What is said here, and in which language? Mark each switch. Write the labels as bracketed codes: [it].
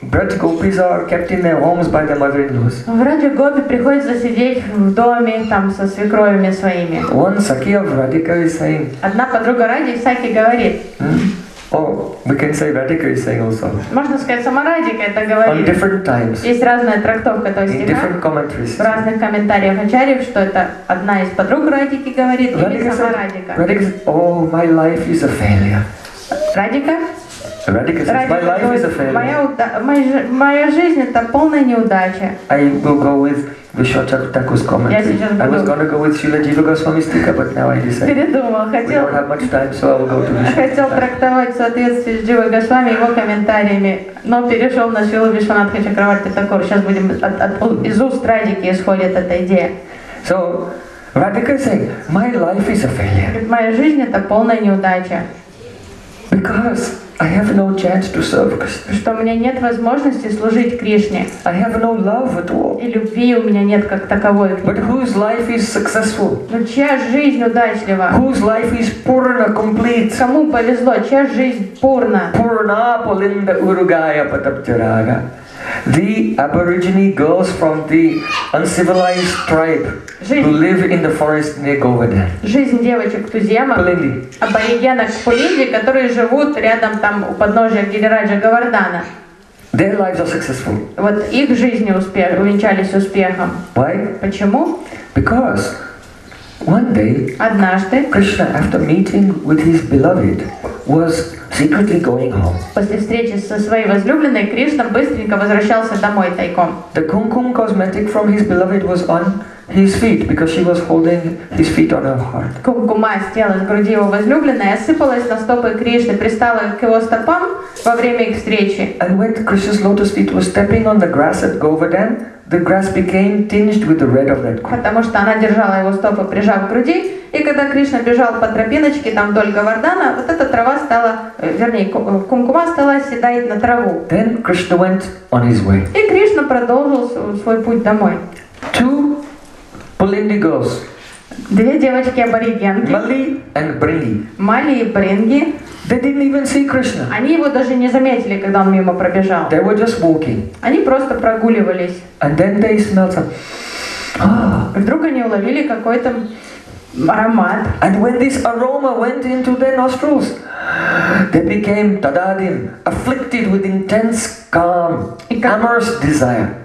[en] Braj gopis are kept in their homes by their mother-in-laws. [ru] Braj gopis приходится сидеть в доме там со свекровями своими. [en] One sakhi of Radhika is saying. [ru] Одна подруга Ради Саки говорит. [en] Oh, we can say Radhika is saying also. [ru] Можно сказать, сама Радика это говорит. [en] On different times. [ru] Есть разная трактовка этого стиха. [en] In different commentaries. [ru] В разных комментариях ачарьев, что это одна из подруг Радики говорит или сама Радика. [en] Radhika says, oh, my life is a failure. [ru] Радика [en] says, [ru] моя жизнь это полная неудача. [en] I will go with Vishwachar Thakur's commentary. I was going to go with Srila Jiva Goswami's Tika, but now I decided. [ru] Передумал. [en] We don't have much time, so I will go to Vishwachar. [ru] Хотел трактовать в соответствии с Джива Госвами его комментариями, но перешел на Шрилу Вишванатха Чакраварти Такур. Сейчас будем из уст Радики исходит эта идея. [en] So, Radhika is saying, my life is a failure. [ru] Моя жизнь это полная неудача. [en] Because I have no chance to serve Krishna. [ru] Что у меня нет возможности служить Кришне. [en] I have no love at all. [ru] И любви у меня нет как таковой. [en] But whose life is successful? [ru] Но чья жизнь удачлива? [en] Whose life is purna complete? [ru] Кому повезло? Чья жизнь пурна? [sa] Purna polinda urugaya patapcharaga. [en] The aborigine girls from the uncivilized tribe who live in the forest near Govardhan. [ru] Жизнь девочек туземок, аборигенок Пулинди, которые живут рядом там у подножия Гирираджа Говардана. [en] Their lives are successful. [ru] Вот их жизни увенчались успехом. [en] Why? [ru] Почему? [en] Because one day, [ru] однажды, [en] Krishna, after meeting with his beloved, was secretly going home. [ru] После встречи со своей возлюбленной Кришна быстренько возвращался домой тайком. [en] The kumkum cosmetic from his beloved was on his feet because she was holding his feet on her heart. [ru] Кумкума с тела с груди его возлюбленной осыпалась на стопы Кришны, пристала к его стопам во время их встречи. [en] And when Krishna's lotus feet was stepping on the grass at Govardhan, the grass became tinged with the red of that kumkum. [ru] Потому что она держала его стопы, прижав к груди. И когда Кришна бежал по тропиночке там вдоль Говардана, вот эта трава стала, вернее, кумкума стала седать на траву. [en] Then Krishna went on his way. [ru] И Кришна продолжил свой путь домой. [en] Two Pulindi girls [ru] Две девочки аборигенки. [en] Mali and Bringi. [ru] Mali и Bringi. [en] They didn't even see Krishna. [ru] Они его даже не заметили, когда он мимо пробежал. [en] They were just walking. [ru] Они просто прогуливались. [en] And then they smelled some. [ru] Вдруг они уловили какой-то аромат. [en] And when this aroma went into their nostrils, they became tadadin, afflicted with intense calm, amorous desire.